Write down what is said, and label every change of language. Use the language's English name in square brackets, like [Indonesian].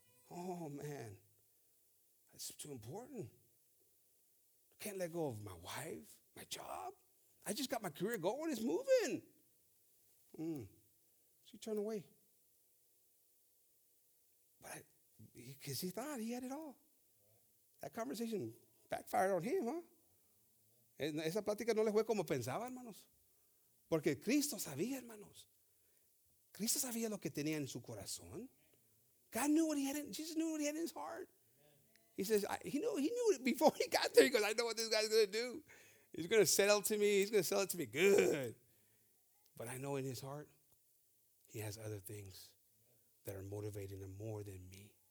[English] Oh, man. That's too important. I can't let go of my wife, my job. I just got my career going. It's moving. So you turn away. But because he thought he had it all. That conversation backfired on him, huh? [Spanish] Esa plática no le fue como pensaba, hermanos. Porque Cristo sabía, hermanos. Cristo sabía lo que tenía en su corazón. [English] God knew what he had in, Jesus knew what he had in his heart. He says, he knew it before he got there. He goes, I know what this guy's going to do. He's going to sell to me. He's going to sell it to me good. But I know in his heart, he has other things that are motivating him more than me.